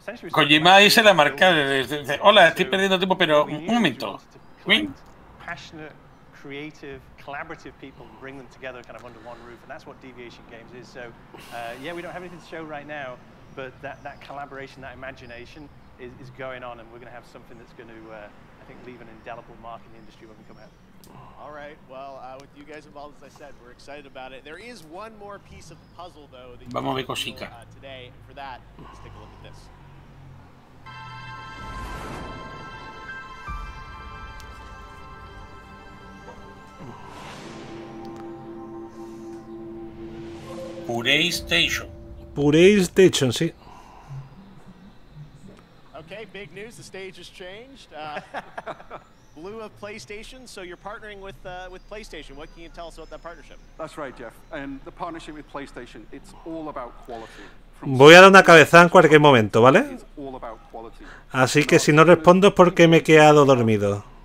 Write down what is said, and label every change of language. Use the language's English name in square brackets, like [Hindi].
[Spanish] Kojima dice la marca, dice, hola, estoy perdiendo tiempo, pero un momento. [English] Passionate, creative, collaborative people, bring them together kind of under one roof, and that's what Deviation Games is. So, yeah, we don't have anything to show right now, but that collaboration, that imagination is going on, and we're going to have something that's going to I think leave an indelible mark in the industry when we come out. All right. Well, with you guys involved, as I said, we're excited about it. There is one more piece of the puzzle, though. That [Spanish] vamos a ver cosica. [English] Today, for that, let's take a look at this. [Spanish] PlayStation, sí. [English] Okay, big news. The stage has changed. lieu of PlayStation, so you're partnering with PlayStation. What can you tell us about that partnership? That's right, Jeff. And the partnership with PlayStation, it's all about quality. [Spanish] Voy a dar una cabezada en cualquier momento, ¿vale? Así que si no respondo es porque me he quedado dormido.